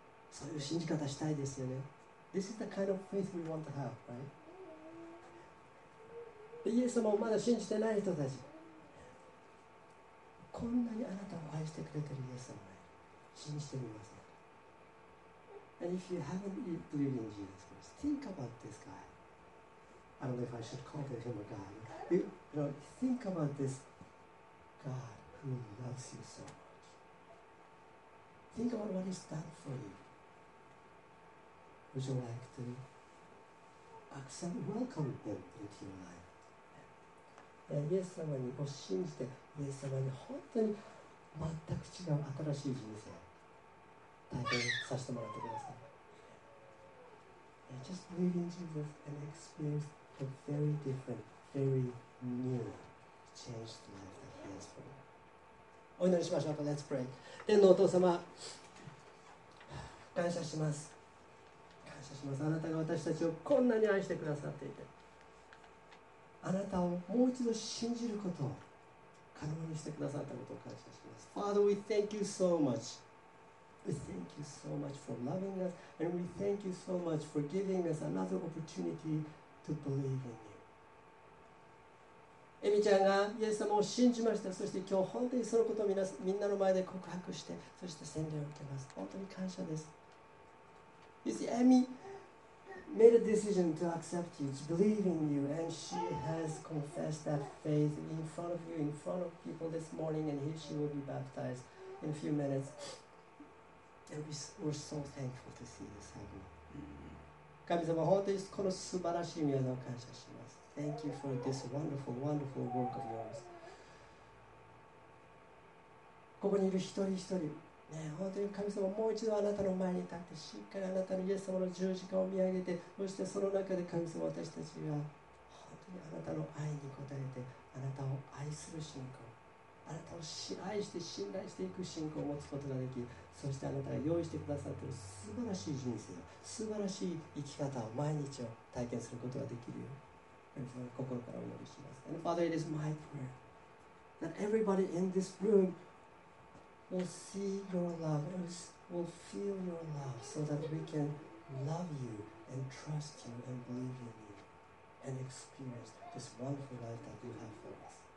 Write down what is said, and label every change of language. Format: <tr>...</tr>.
<ja>そういう信じ方したいですよね。</ja> <en>This is the kind of faith we want to have, right?</en> <ja>イエス様をまだ信じてない人たち、こんなにあなたを愛してくれてるイエス様、信じてみませんか。</ja> <en>And if you haven't believed in Jesus Christ, think about this guy. I don't know if I should call him a guy. You know, think about this God who loves you so much. Think about what he's done for you. Would you like to accept, welcome him into your life?</en> <ja>イエス様にを信じて、イエス様に本当に全く違う新しい人生を体験させてもらってください。</ja> <en>Just believe in Jesus and experience a very different, very new, changed life that he has for you.</en> <ja>お祈りしましょうか。</ja> <en>Let's pray.</en> <ja>天のお父様、感謝します。感謝します。あなたが私たちをこんなに愛してくださっていて、あなたをもう一度信じることを可能にしてくださったことを感謝します。</ja> <en>Father, we thank you so much. We thank you so much for loving us, and we thank you so much for giving us another opportunity to believe in you.</en> <ja>エミちゃんがイエス様を信じました。そして今日本当にそのことを みんなの前で告白して、そして洗礼を受けます。本当に感謝です。</ja> <en>You see, Emmy. Made a decision to accept you, to believe in you, and she has confessed that faith in front of you, in front of people this morning, and here she will be baptized in a few minutes. And we're so thankful to see this happening.</en> <ja>神様、本当にこの素晴らしい御業を感謝します。</ja> <en>Thank you for this wonderful, wonderful work of yours.</en> <ja>ここにいる一人一人、ね、本当に神様、もう一度あなたの前に立って、しっかりあなたのイエス様の十字架を見上げて、そしてその中で神様、私たちが本当にあなたの愛に応えて、あなたを愛する信仰、あなたを愛して信頼していく信仰を持つことができ、そしてあなたが用意してくださっている素晴らしい人生、素晴らしい生き方を毎日を体験することができるよ。神様、心からお祈りします。</ja> <en>And Father, it is my prayer that everybody in this room will see your love, will feel your love, so that we can love you and trust you and believe in you and experience this wonderful life that you have for us.</en>